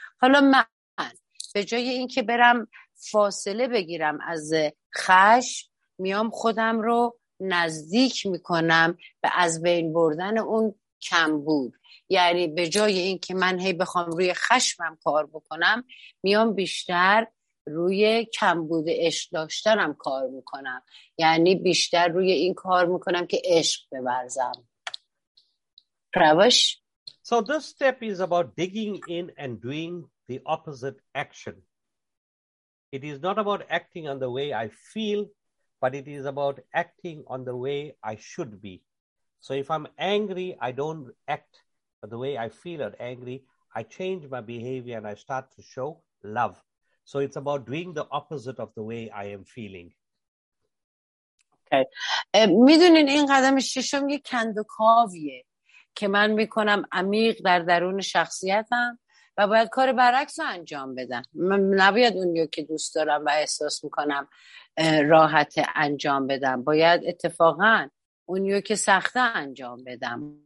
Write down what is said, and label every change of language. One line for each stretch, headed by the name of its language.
Persian: حالا من به جای این که برم فاصله بگیرم از خشم، میام خودم رو نزدیک میکنم به از بین بردن اون کمبود. یعنی به جای این که من هی بخوام روی خشمم کار بکنم، میام بیشتر روی کمبود عشق داشتنم کار میکنم. یعنی بیشتر روی این کار میکنم که عشق ببرزم. پروش؟
English: So this step is about digging in and doing the opposite action. It is not about acting on the way I feel, but it is about acting on the way I should be. So if I'm angry, I don't act the way I feel or angry. I change my behavior and I start to show love. So it's about doing the opposite of the way I am feeling. Okay.
Persian: میدونین این قدم ششم یه کندوکاویه که من میکنم عمیق در درون شخصیتم و باید کار برعکس رو انجام بدم. من نباید اونی که دوست دارم و احساس میکنم راحت انجام بدم، باید اتفاقا اونی که سخته انجام بدم.